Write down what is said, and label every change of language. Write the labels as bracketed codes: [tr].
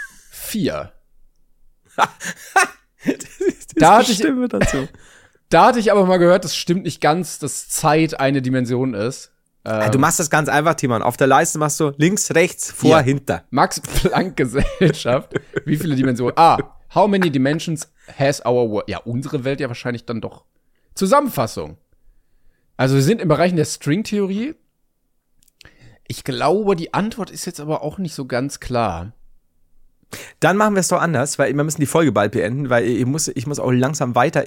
[de] 4. Da hatte ich Stimme dazu. Da hatte ich aber mal gehört, das stimmt nicht ganz, dass Zeit eine Dimension ist. Du machst das ganz einfach, Timon. Auf der Leiste machst du links, rechts, vor, hinter. Max-Planck-Gesellschaft. Wie viele Dimensionen? [en] How many dimensions has our world? [de] Ja, unsere Welt ja wahrscheinlich dann doch. Zusammenfassung. Also wir sind im Bereich der String-Theorie. Ich glaube, die Antwort ist jetzt aber auch nicht so ganz klar. Dann machen wir es doch anders, weil wir müssen die Folge bald beenden, weil ich muss auch langsam weiter.